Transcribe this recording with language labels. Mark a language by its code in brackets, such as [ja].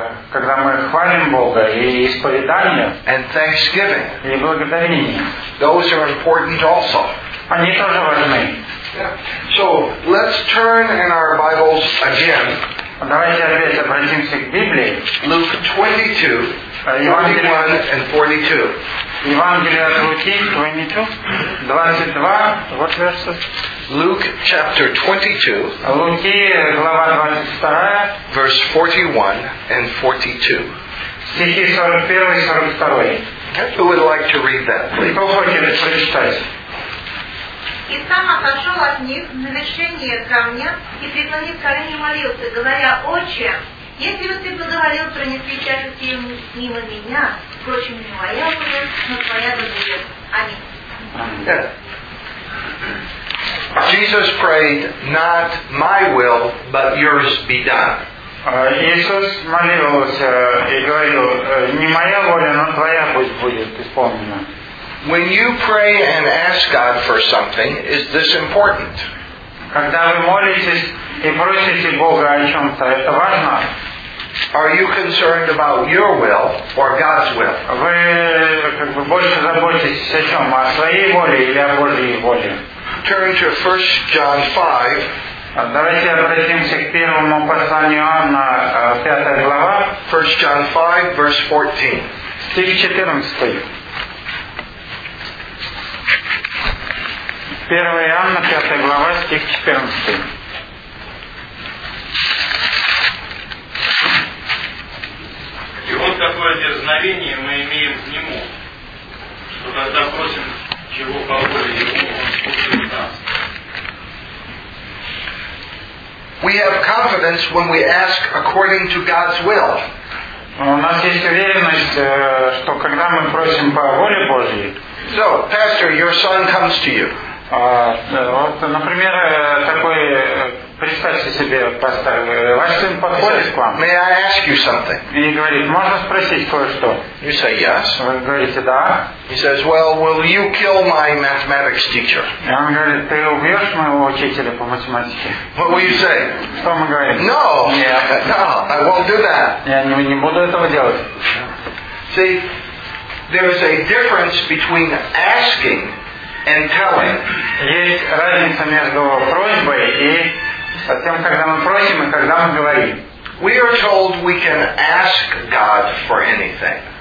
[ru] Когда мы хвалим Бога и исповедание. [en] And thanksgiving. [ru] И благодарение. [en] Those are important also. [ru] Они тоже важны. [en] So let's turn in our Bibles again. [ru] Давайте опять обратимся к Библии. [en] Luke 22, 21 and 42. [ru] Евангелие от Луки, 22, 22, [en] what verses? Luke chapter 22. [ru] Луки, глава 22. [en] Verse 41 and 42. [ru] Стихи 41 и 42. [en] Who would like to read that, please? [ru] Кто хочет прочитать? И сам отошел от них на вершение камня и преклонив колени молился, говоря: «Отче, если бы ты поговорил, пронесли чашу мимо меня, впрочем, не моя воля, но твоя воля». Аминь. [en] Jesus prayed, not my will, but yours be done. [ru] Иисус молился и говорил: «Не моя воля, но твоя пусть будет исполнена». [en] When you pray and ask God for something, is this important? [ru] Когда вы молитесь и просите Бога о чём-то, это важно? [en] Are you concerned about your will or God's will? [ru] Вы как бы больше заботитесь о чём, о своей воле или о Божьей воле? [en] Turn to 1 John 5. [ru] Давайте обратимся к первому посланию Иоанна, 5 глава. [en] 1 John 5, verse 14. [ru] Стих 14. 1 Иоанна, 5 глава, стих 14. И вот такое дерзновение мы имеем к Нему, что когда просим чего по воле Ему, Он слушает нас. [en] We have confidence when we ask according to God's will. [ru] У нас есть уверенность, что когда мы просим по воле Божьей. [en] So, pastor, your son comes to you. [ru] Вот, например, такой Представьте себе, пастор, ваш сын подходит к вам. [en] May I ask you something? [ru] И говорит, можно спросить кое-что? [en] You say yes. [ru] Вы говорите, да. [en] He says, well, will you kill my mathematics teacher? [ru] И он говорит, ты убьешь моего учителя по математике? [en] What will you say? [ru] Что мы говорим? [en] No. [ru] Нет. [en] No, I won't do that. [ru] Я не буду этого делать. [en] See, there is a difference between asking and telling. [ru] Есть разница между просьбой и тем, когда мы просим и когда мы говорим. [en] We are told we can ask God for anything.